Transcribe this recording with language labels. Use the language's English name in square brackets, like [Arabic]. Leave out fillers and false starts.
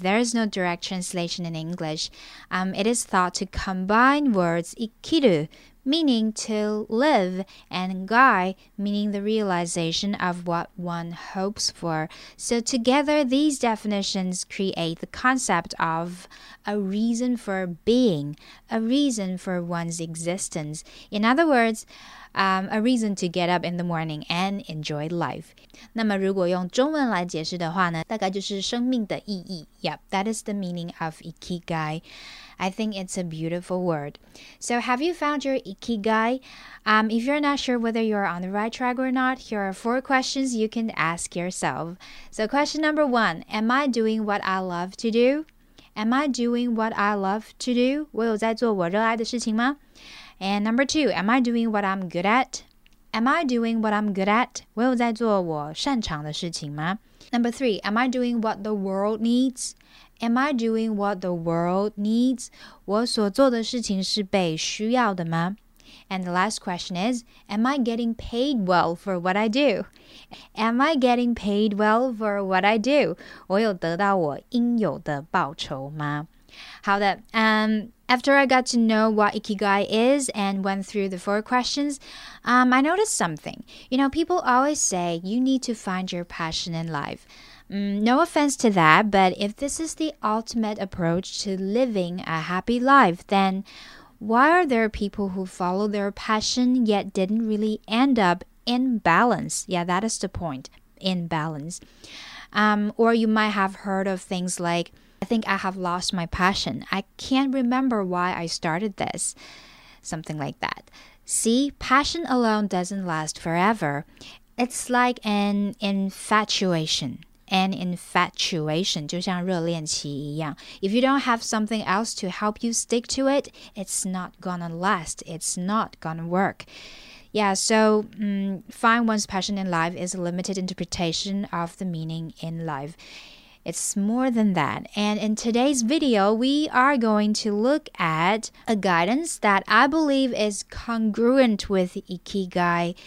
[English] There is no direct translation in English. It is thought to combine words ikiru, meaning to live, and gai, meaning the realization of what one hopes for. So together, these definitions create the concept of a reason for being, a reason for one's existence. In other words, a reason to get up in the morning and enjoy life. [Chinese] 那么如果用中文来解释的话呢，大概就是生命的意义。 [English] Yep, that is the meaning of ikigai. I think it's a beautiful word. So have you found your ikigai? If you're not sure whether you're on the right track or not, here are four questions you can ask yourself. So question number one, am I doing what I love to do? Am I doing what I love to do? [Chinese] 我有在做我热爱的事情吗？ [English] And number two, am I doing what I'm good at? Am I doing what I'm good at? [Chinese] 我有在做我擅长的事情吗? [English] Number three, am I doing what the world needs? Am I doing what the world needs? [Chinese] 我所做的事情是被需要的吗? [English] And the last question is, am I getting paid well for what I do? Am I getting paid well for what I do? [Chinese] 我有得到我应有的报酬吗? 好的, [English] After I got to know what ikigai is and went through the four questions, I noticed something. You know, people always say you need to find your passion in life. No offense to that, but if this is the ultimate approach to living a happy life, then why are there people who follow their passion yet didn't really end up in balance? Yeah, that is the point, in balance. Or you might have heard of things like,I think I have lost my passion. I can't remember why I started this. Something like that. See, passion alone doesn't last forever. It's like an infatuation. An infatuation, [Chinese] 就像热恋期一样。 [English] If you don't have something else to help you stick to it, it's not gonna last. It's not gonna work. Yeah, so find one's passion in life is a limited interpretation of the meaning in life. It's more than that. And in today's video, we are going to look at a guidance that I believe is congruent with ikigai.